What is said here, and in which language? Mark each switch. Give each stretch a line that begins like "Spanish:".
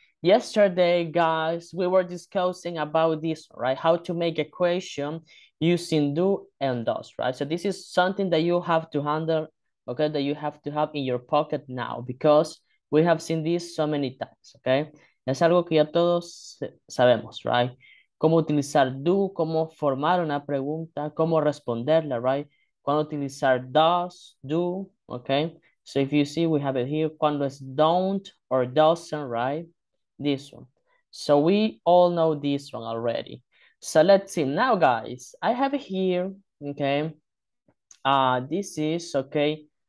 English: Yesterday, guys, we were discussing about this, right? How to make a question using do and does, right? So, this is something that you have to handle. Okay, that you have to have in your pocket now because we have seen this so many times.
Spanish: Okay, es algo que ya todos sabemos, right? Cómo utilizar do, cómo formar una pregunta, cómo responderla, right? Cuándo utilizar does, do.
English: Okay, so if you see, we have it here.
Spanish: Cuando es
English: don't or doesn't, right? This one. So we all know this one already. So let's see now, guys. I have here, okay, this is okay.